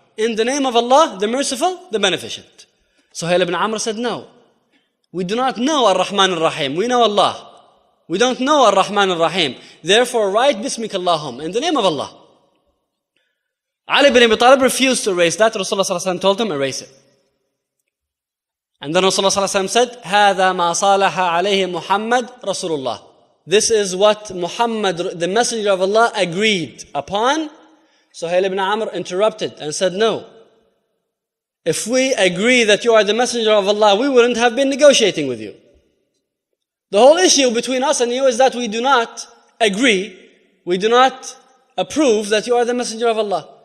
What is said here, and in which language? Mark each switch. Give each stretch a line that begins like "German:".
English: In the name of Allah, the merciful, the beneficent. Suhail ibn Amr said, no. We do not know ar-Rahman ar-Rahim. We know Allah. We don't know ar-Rahman ar-Rahim. Therefore, write Bismikallahum in the name of Allah. Ali ibn Abi Talib refused to erase that. Rasulullah ﷺ told him, erase it. And then Rasulullah ﷺ said,
Arabic: هذا ما صالح عليه محمد رسول الله.
English: This is what Muhammad, the Messenger of Allah, agreed upon. Suhail ibn Amr interrupted and said, no. If we agree that you are the Messenger of Allah, we wouldn't have been negotiating with you. The whole issue between us and you is that we do not agree, we do not approve that you are the Messenger of Allah.